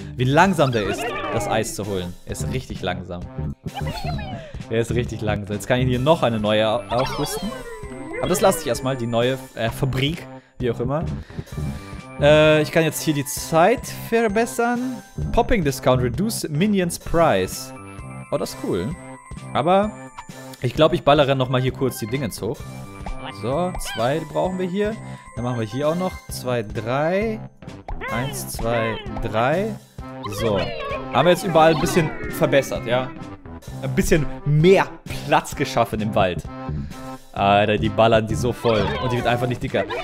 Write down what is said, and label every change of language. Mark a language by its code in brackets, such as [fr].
[de] Wie langsam der ist, das Eis zu holen. Er ist richtig langsam. Er ist richtig langsam. Jetzt kann ich hier noch eine neue aufrüsten. Aber das lasse ich erstmal, die neue Fabrik, wie auch immer. Ich kann jetzt hier die Zeit verbessern. [en] Popping Discount, Reduce Minions Price. [de] Oh, das ist cool. Aber ich glaube, ich ballere nochmal hier kurz die Dingens hoch. So, zwei brauchen wir hier. Dann machen wir hier auch noch. Zwei, drei. Eins, zwei, drei. So. Haben wir jetzt überall ein bisschen verbessert, ja? Ein bisschen mehr Platz geschaffen im Wald. Alter, die ballern die so voll. Und die wird einfach nicht dicker.